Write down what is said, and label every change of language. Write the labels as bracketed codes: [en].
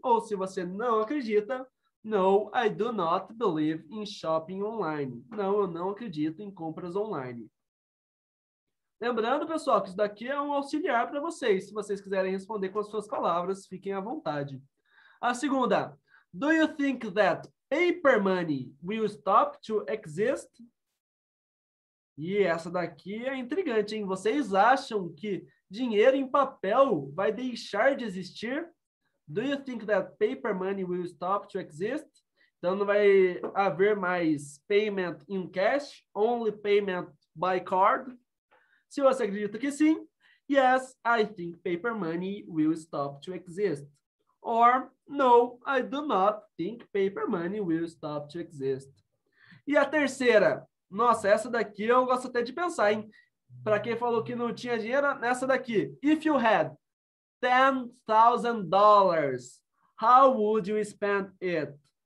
[pt] Ou se você não acredita, [en] no, I do not believe in shopping online. [pt] Não, eu não acredito em compras online. Lembrando, pessoal, que isso daqui é um auxiliar para vocês. Se vocês quiserem responder com as suas palavras, fiquem à vontade. A segunda. [en] Do you think that paper money will stop to exist? [pt] E essa daqui é intrigante, hein? Vocês acham que dinheiro em papel vai deixar de existir? [en] Do you think that paper money will stop to exist? [pt] Então, não vai haver mais [en] payment in cash, only payment by card? [pt] Se você acredita que sim, [en] yes, I think paper money will stop to exist. Or, no, I do not think paper money will stop to exist. [pt] E a terceira? Nossa, essa daqui eu gosto até de pensar, hein? Para quem falou que não tinha dinheiro, nessa daqui. [en] If you had $10,000, how would you spend it?